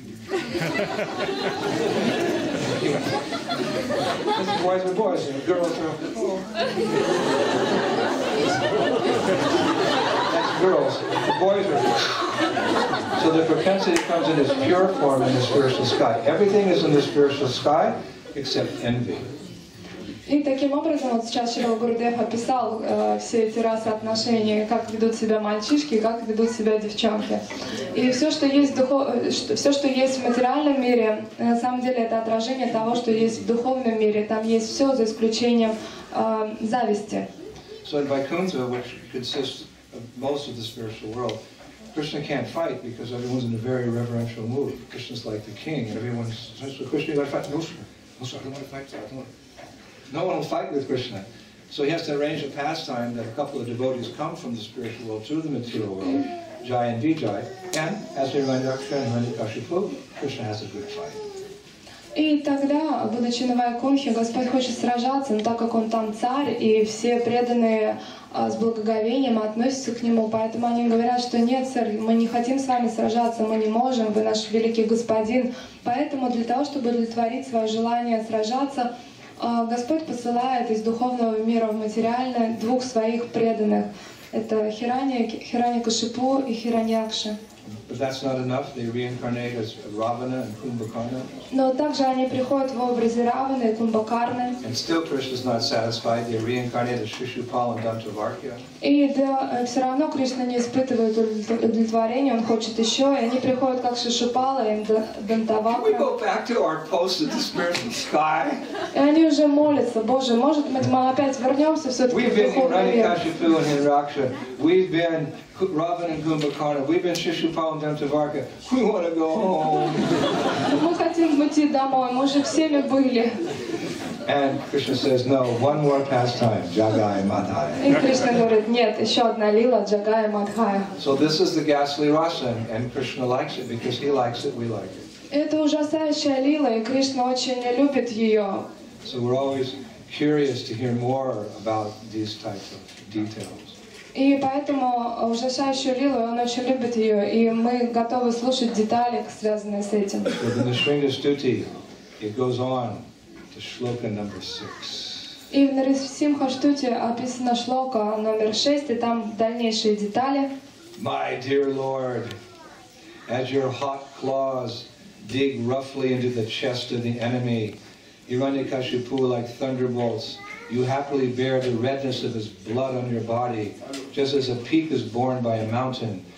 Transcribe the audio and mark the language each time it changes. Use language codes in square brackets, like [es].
[en] This is boys with boys, and girls are. That's girls. The boys are. Boys. So the propensity comes in its pure form in the spiritual sky. Everything is in the spiritual sky, except envy. [ru] И таким образом вот сейчас Шрила Гурудева описал все эти расы отношения, как ведут себя мальчишки, как ведут себя девчонки. И все, что есть в все, что есть в материальном мире, на самом деле это отражение того, что есть в духовном мире. Там есть все за исключением зависти. [en] So in Vaikuntha, which consists of most of the spiritual world, Krishna can't fight because everyone's in a very reverential mood. Krishna's like the king, and everyone's says, "So Krishna, you gotta fight." No, sir, I don't want to fight. No one will fight with Krishna. So he has to arrange a pastime that a couple of devotees come from the spiritual world to the material world, Jai and Vijay, and as they remind Raksha and Hrishikashipu, Krishna has a good fight. [ru] И тогда, будучи на Вайкунхе, Господь хочет сражаться, но так как Он там царь, и все преданные с благоговением относятся к Нему, поэтому они говорят, что нет, сэр, мы не хотим с вами сражаться, мы не можем, вы наш великий Господин. Поэтому для того, чтобы удовлетворить свое желание сражаться, Господь посылает из духовного мира в материальное двух своих преданных. Это Хираньякашипу и Хираньякша. [en] But that's not enough. They reincarnate as Ravana and Kumbhakarna. [ru] Но также они приходят в образе Раваны и Кумбхакарны. [en] And still Krishna is not satisfied. They reincarnate as Shishupala and Dantavarkya. [ru] И да, все равно Кришна не испытывает удовлетворения. Он хочет еще, и они приходят как Шишупала и Дантавакра. [en] Can we go back to our post at the spiritual sky? [ru] И они уже молятся: Боже, может быть, мы опять вернемся все-таки в духовный мир? [en] We've been Hiranyakashipu and Hiraksha. We've been Ravana and Kumbhakarna. We've been Shishupala and Dantavarkya. We want to go home. [ru] Мы хотим идти домой. Мы уже всеми были. [en] And Krishna says, "No, one more pastime, Jagai Madhai." [ru] И Кришна говорит: "Нет, еще одна лила, Jagai Madhai." [en] So this is the ghastly rasa, and Krishna likes it because he likes it. We like it. [ru] Это ужасающая лила, и Кришна очень любит ее. [en] So we're always curious to hear more about these types of details. [ru] И поэтому ужасающую лилу, он очень любит ее, и мы готовы слушать детали, связанные с этим. [en] But in the Sringa Stuti, it goes on to shloka number 6. [ru] И в Нарисимха Штути описана шлока номер 6, и там дальнейшие детали. [en] My dear Lord, as your hot claws dig roughly into the chest of the enemy, Hiranyakashipu like thunderbolts, you happily bear the redness of his blood on your body, just as a peak is borne by a mountain.